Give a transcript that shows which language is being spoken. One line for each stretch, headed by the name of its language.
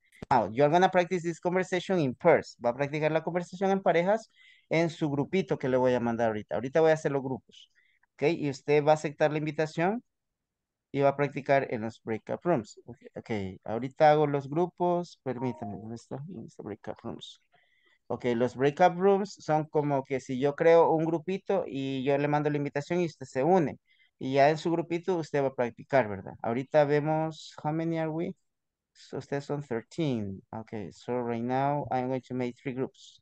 English: Now, you are going to practice this conversation in pairs.
Spanish: Va a practicar la conversación en parejas en su grupito que le voy a mandar ahorita. Ahorita voy a hacer los grupos. Okay. Y usted va a aceptar la invitación y va a practicar en los breakout rooms. Okay. Ahorita hago los grupos. Permítame. ¿Dónde está? ¿Dónde está breakout rooms? Okay. Los breakout rooms son como que si yo creo un grupito y yo le mando la invitación y usted se une. Y ya en su grupito usted va a practicar, ¿verdad? Ahorita vemos,
English: how many are we?
Spanish: So, ustedes son 13.
English: Okay, so right now I'm going to make 3 groups.